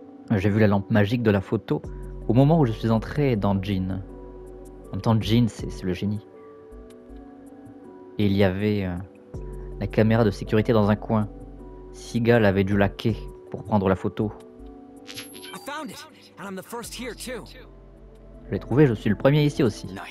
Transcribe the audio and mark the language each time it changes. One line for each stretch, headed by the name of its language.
French: J'ai vu la lampe magique de la photo au moment où je suis entré dans Jean. En même temps, Jean, c'est le génie. Et il y avait la caméra de sécurité dans un coin. Seagal avait dû laquer pour prendre la photo.
English: I found it, and I'm the first here too.
French: Je l'ai trouvé, je suis le premier ici aussi.